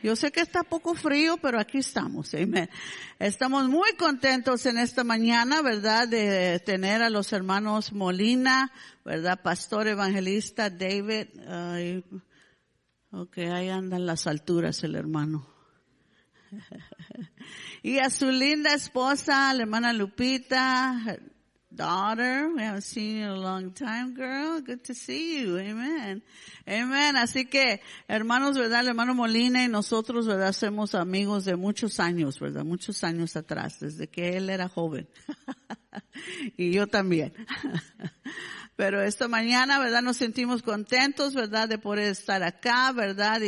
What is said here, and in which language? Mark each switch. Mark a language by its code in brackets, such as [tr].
[es] Yo sé que está poco frío, pero aquí estamos. Amén. Estamos muy contentos en esta mañana, ¿verdad? De tener a los hermanos Molina, ¿verdad? Pastor evangelista David. Okay, ahí andan las alturas el hermano. Y a su linda esposa, la hermana Lupita, [en] her daughter, we haven't seen you in a long time, girl. Good to see you. Amen. Amen. [es] Así que, hermanos, ¿verdad? El hermano Molina y nosotros, ¿verdad? Somos amigos de muchos años, ¿verdad? Muchos años atrás, desde que él era joven. Y yo también. Pero esta mañana, ¿verdad? Nos sentimos contentos, ¿verdad? De poder estar acá, ¿verdad?